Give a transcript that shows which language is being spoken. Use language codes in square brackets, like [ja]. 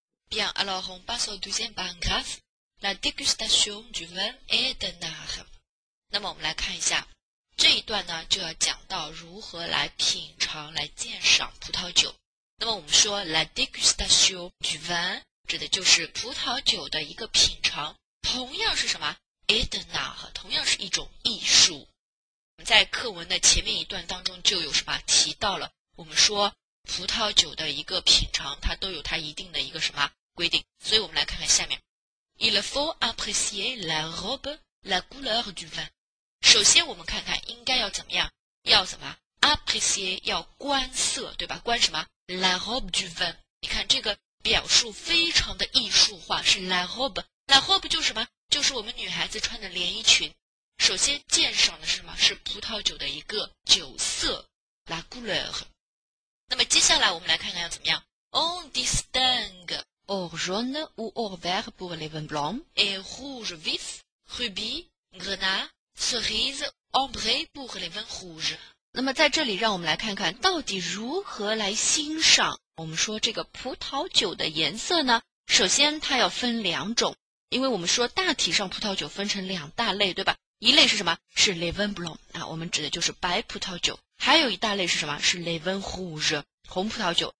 [fr] Bien, alors on passe au deuxième paragraphe. La dégustation du vin est de l'art. [zh] 那么我们来看一下这一段呢，就要讲到如何来品尝、来鉴赏葡萄酒。那么我们说 [fr] la dégustation du vin [zh] 指的就是葡萄酒的一个品尝，同样是什么 [fr] est de l'art， [zh] 同样是一种艺术。我们在课文的前面一段当中就有什么提到了，我们说葡萄酒的一个品尝，它都有它一定的一个什么规定。所以我们来看看下面， [fr] Il faut apprécier la robe, la couleur du vin。 [zh] 首先我们看看应该要怎么样，要怎么 apprécier， 要观色，对吧，观什么 la robe du vin。你看这个表述非常的艺术化，是 la robe， la robe 就是什么，就是我们女孩子穿的连衣裙。首先鉴赏的是什么，是葡萄酒的一个酒色， la couleur。那么接下来我们来看看要怎么样。 [fr] On distingue or jaune ou or vert pour les vins blancs et rouge vif, rubis, grenat, cerise, ambré pour les vins rouges。 [zh] 那么在这里让我们来看看到底如何来欣赏我们说这个葡萄酒的颜色呢？首先它要分两种，因为我们说大体上葡萄酒分成两大类，对吧？一类是什么？是 les vins blancs， 我们指的就是白葡萄酒。还有一大类是什么？是 Les vins rouges， 红葡萄酒。